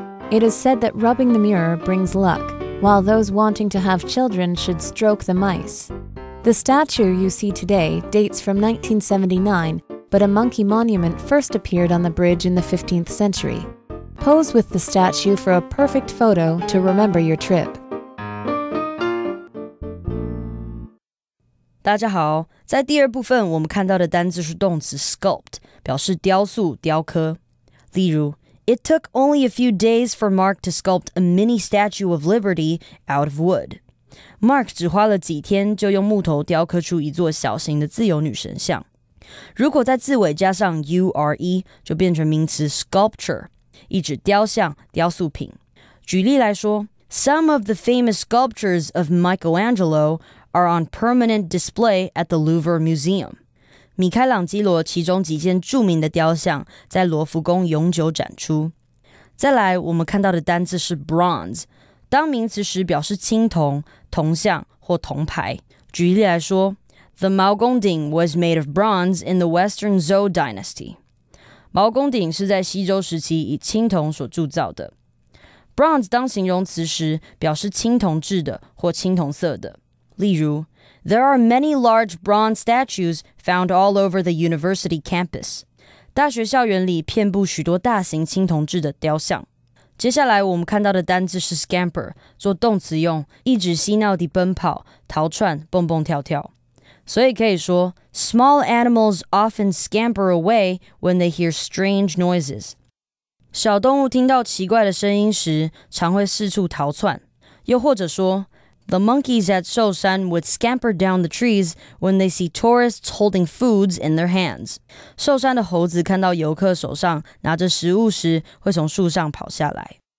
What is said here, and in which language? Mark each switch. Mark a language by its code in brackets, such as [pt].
[en] It is said that rubbing the mirror brings luck, while those wanting to have children should stroke the mice. The statue you see today dates from 1979, but a monkey monument first appeared on the bridge in the 15th century. Pose with the statue for a perfect photo to remember your trip. [zh] 大家好，在第二部分我们看到的单字是动词 sculpt, 表示雕塑、雕刻。例如 [en] It took only a few days for Mark to sculpt a mini statue of Liberty out of wood. [zh] Mark 只花了几天就用木头雕刻出一座小型的自由女神像。如果在字尾加上 ure, 就变成名词 sculpture, 意指雕像、雕塑品。举例来说 [en] ,Some of the famous sculptures of Michelangelo are on permanent display at the Louvre Museum. [zh] 米开朗基罗其中几件著名的雕像在罗浮宫永久展出。再来，我们看到的单字是 bronze， 当名词时表示青铜、铜像或铜牌。举例来说 [en] ，The 毛公鼎 was made of bronze in the Western Zhou Dynasty。 [zh] 毛公鼎是在西周时期以青铜所铸造的。 bronze 当形容词时表示青铜制的或青铜色的。例如。 [en] There are many large bronze statues found all over the university campus. [zh] 大学校园里遍布许多大型青铜制的雕像。接下来我们看到的单字是 scamper, 做动词用，一直嬉闹地奔跑、逃窜、蹦蹦跳跳。所以可以说 [en] ,small animals often scamper away when they hear strange noises. [zh] 小动物听到奇怪的声音时常会四处逃窜。又或者说 [en] The monkeys at Shoshan would scamper down the trees when they see tourists holding foods in their hands. [zh] 寿山的猴子看到游客手上拿着食物时会从树上跑下来。